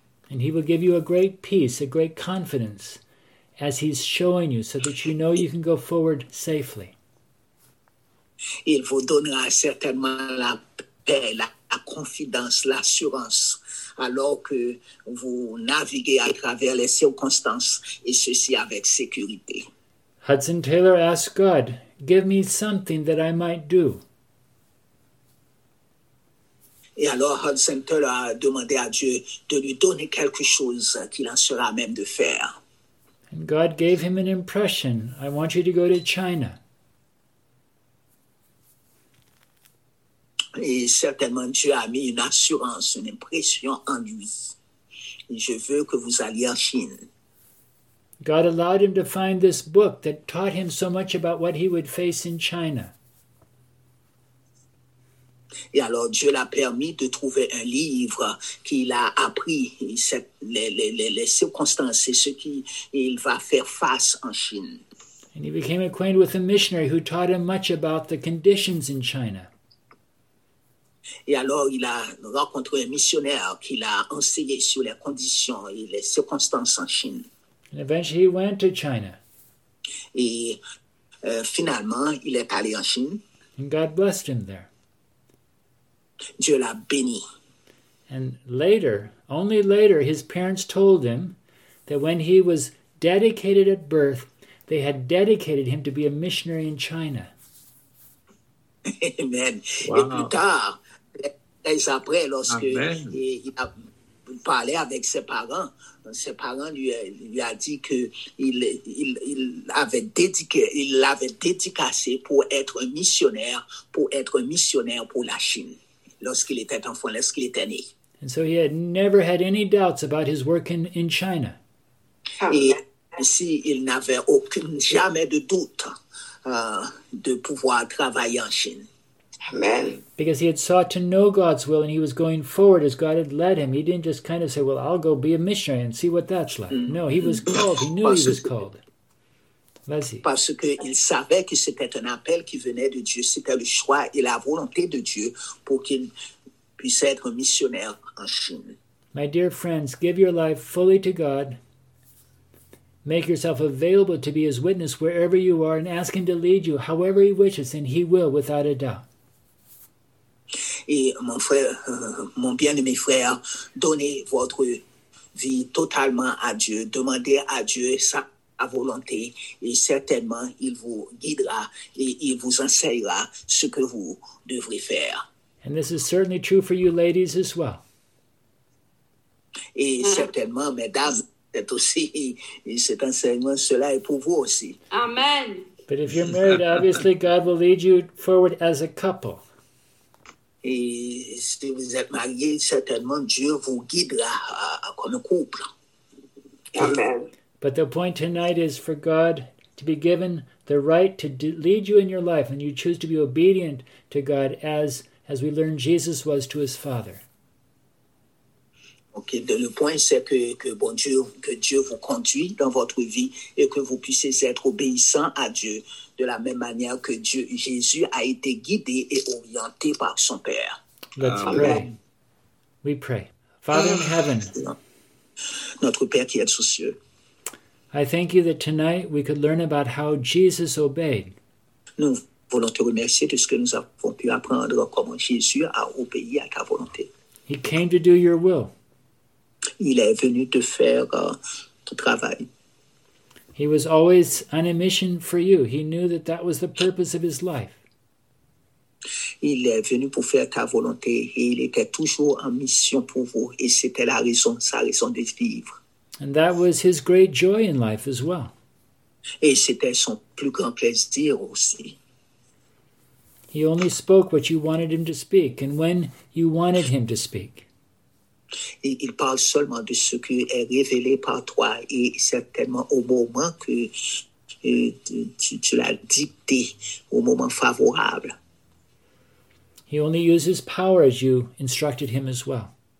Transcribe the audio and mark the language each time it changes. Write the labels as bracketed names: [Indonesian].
[English] And he will give you a great peace, a great confidence as he's showing you so that you know you can go forward safely. [French] Il vous donnera certainement la paix, la confiance, l'assurance, alors que vous naviguez à travers les circonstances et ceci avec sécurité. [English] Hudson Taylor asked God, give me something that I might do. [French] Et alors Hudson Taylor a demandé à Dieu de lui donner quelque chose qu'il en sera même de faire. [English] And God gave him an impression, I want you to go to China. [French] Et certainement Dieu a mis une assurance, une impression en lui. Je veux que vous alliez en Chine. [English] God allowed him to find this book that taught him so much about what he would face in China. [French] Et alors Dieu l'a permis de trouver un livre qu'il a appris les circonstances et ce qu'il va faire face en Chine. [English] And he became acquainted with a missionary who taught him much about the conditions in China. [French] Et alors, il a rencontré un missionnaire qui l'a enseigné sur les conditions et les circonstances en Chine. [English] And eventually, he went to China. [French] Et finalement, il est allé en Chine. [English] And God blessed him there. [French] Dieu l'a béni. [English] And later, only later, his parents told him that when he was dedicated at birth, they had dedicated him to be a missionary in China. Amen. Wow. [French] Et plus tard, et après, lorsque il a parlé avec ses parents lui a dit qu'il l'avait dédicacé pour être missionnaire pour la Chine lorsqu'il était enfant, lorsqu'il était né. [English] And so he had never had any doubts about his work in China. [French] Et ainsi, il n'avait jamais de doute de pouvoir travailler en Chine. [English] Amen. Because he had sought to know God's will and he was going forward as God had led him. He didn't just kind of say, well, I'll go be a missionary and see what that's like. No, he was called. He knew he was called. [French] Vas-y. Parce qu'il savait que c'était un appel qui venait de Dieu. C'était le choix et la volonté de Dieu pour qu'il puisse être missionnaire en Chine. [English] My dear friends, give your life fully to God. Make yourself available to be his witness wherever you are and ask him to lead you however he wishes, and he will without a doubt. [French] Et mon frère, mon bien-aimé frère, donnez votre vie totalement à Dieu, demandez à Dieu sa volonté et certainement il vous guidera et il vous enseignera ce que vous devrez faire. [English] And this is certainly true for you ladies as well. [French] Et certainement, mesdames, c'est aussi cet enseignement, cela est pour vous aussi. [English] Amen. But if you're married, obviously God will lead you forward as a couple. [French] Et si vous êtes marié, certainement Dieu vous guidera comme couple. [English] Amen. But the point tonight is for God to be given the right to lead you in your life, and you choose to be obedient to God as we learn Jesus was to his Father. [French] Okay, le point c'est que Dieu vous conduit dans votre vie et que vous puissiez être obéissant à Dieu de la même manière que Dieu Jésus a été guidé et orienté par son Père. [English] Let's Amen. Pray. We pray. Father in heaven. [French] Notre Père qui êtes aux cieux. [English] I thank you that tonight we could learn about how Jesus obeyed. [French] Nous voulons te remercier de ce que nous avons pu apprendre comment Jésus a obéi à ta volonté. [English] He came to do your will. [French] Il est venu te faire ton travail. [English] He was always on a mission for you. He knew that that was the purpose of his life. [French] Il est venu pour faire ta volonté et il était toujours en mission pour vous et c'était la raison, sa raison de vivre. [English] And that was his great joy in life as well. [French] Et c'était son plus grand plaisir aussi. [English] He only spoke what you wanted him to speak and when you wanted him to speak. [French] Et il parle seulement de ce qui est révélé par toi et certainement au moment que tu l'as dicté, au moment favorable. [English] He only uses power as you instructed him as well.